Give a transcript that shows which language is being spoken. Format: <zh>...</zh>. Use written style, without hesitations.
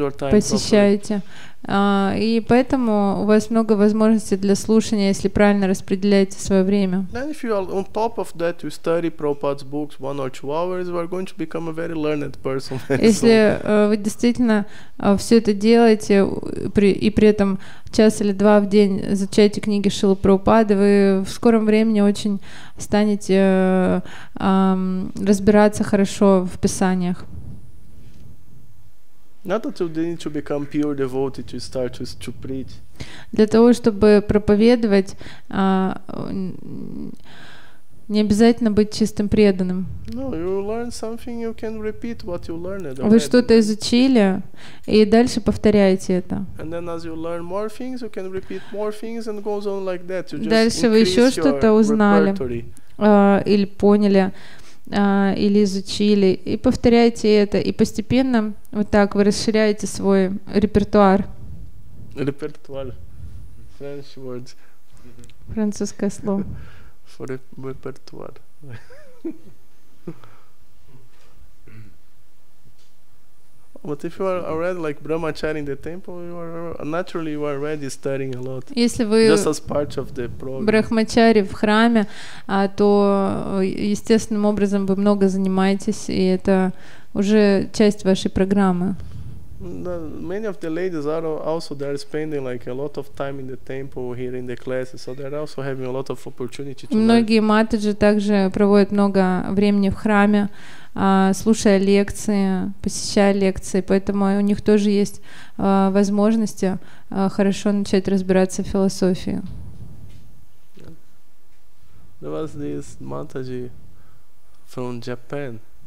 <ru>Посещаете. И поэтому у вас много возможностей для слушания, если правильно распределяете свое время.</ru> <en>Then if you are on top of that, you study Prabhupada's books one or two hours, you are going to become a very learned person.</en> <ru>Если вы действительно все это делаете и при этом час или два в день изучаете книги Шрилы Прабхупады, вы в скором времени очень станете разбираться хорошо в писаниях.</ru> <en>Not that you need to become pure devotee to start to preach.</en> <ru>Для того, чтобы проповедовать, не обязательно быть чистым преданным.</ru> <en>No, you learn something, you can repeat what you learned.</en> <ru>Вы что-то изучили и дальше повторяете это.</ru> <en>And then as you learn more things, you can repeat more things and goes on like that. You just</en> <ru>дальше вы еще что-то узнали или поняли. Или изучили, и повторяйте это, и постепенно вот так вы расширяете свой репертуар.</ru> <en>Репертуар. French words.</en> <ru>Французское слово.</ru> <en>For репертуар. But if you are already like brahmachari in the temple, you are naturally you are already studying a lot.</en> <ru>Если вы</ru> <en>just as part of the program.</en> <ru>Брахмачари в храме, то естественным образом вы много занимаетесь, и это уже часть вашей программы.</ru> <en>Many of the ladies are also there spending like a lot of time in the temple here in the classes, so they're also having a lot of opportunity to learn.</en> <ru>Многие матаджи также проводят много времени в храме, слушая лекции, посещая лекции, поэтому у них тоже есть возможности хорошо начать разбираться в философии.</ru> <en>There was this Mataji from Japan.</en>